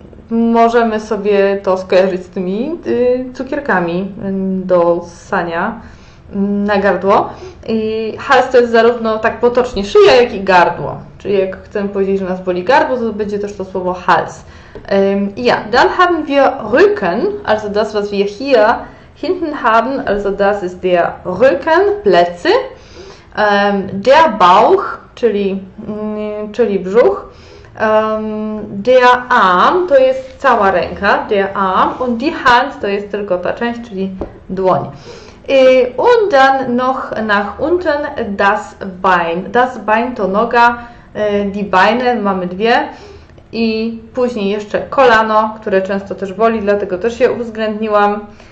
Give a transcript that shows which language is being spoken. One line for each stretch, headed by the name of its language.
Polish: Możemy sobie to skojarzyć z tymi cukierkami do ssania na gardło. I hals to jest zarówno tak potocznie szyja, jak i gardło. Czyli jak chcemy powiedzieć, że nas boli gardło, to będzie też to słowo hals.
German: Ja, dann haben wir Rücken, also das, was wir hier hinten haben, also das ist der Rücken, plecy.
Polish: Der Bauch, czyli brzuch. Der Arm to jest cała ręka, der Arm,
German: und die Hand
Polish: to jest tylko ta część, czyli dłoń.
German: Und dann noch nach unten das Bein. Das Bein
Polish: to noga,
German: die Beine
Polish: mamy dwie. I później jeszcze kolano, które często też boli, dlatego też je uwzględniłam.